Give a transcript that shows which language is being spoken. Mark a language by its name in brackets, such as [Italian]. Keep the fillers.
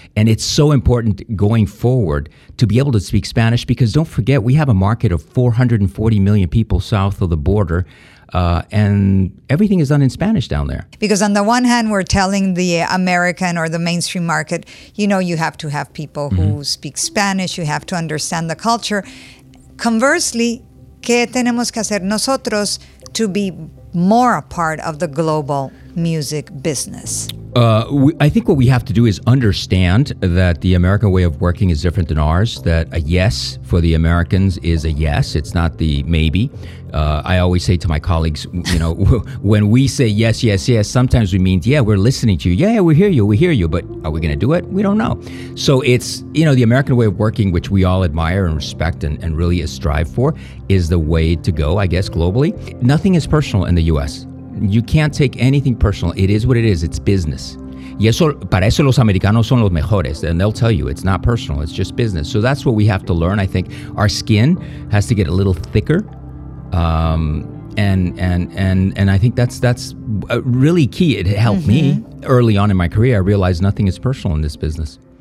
[English] And it's so important going forward to be able to speak Spanish because don't forget, we have a market of 440 million people south of the border. Uh, and everything is done in Spanish down there. Because on the one hand, we're telling the American or the mainstream market, you know, you have to have people who mm-hmm. speak Spanish, you have to understand the culture. Conversely, [Spanish] ¿qué tenemos que hacer nosotros [English] to be more a part of the global music business? Uh, we, I think what we have to do is understand that the American way of working is different than ours. That a yes for the Americans is a yes. It's not the maybe. Uh, I always say to my colleagues, you know, when we say yes, yes, yes, sometimes we mean, yeah, we're listening to you. Yeah, yeah, we hear you. We hear you. But are we going to do it? We don't know. So it's, you know, the American way of working, which we all admire and respect and, and really strive for, is the way to go, I guess, globally. Nothing is personal in the U.S. You can't take anything personal. It is what it is. It's business. [Spanish] Y eso, para eso los americanos son los mejores. [English] And they'll tell you it's not personal, it's just business. So that's what we have to learn. I think our skin has to get a little thicker. Um, and, and, and, and I think that's, that's really key. It helped mm-hmm. me early on in my career. I realized nothing is personal in this business.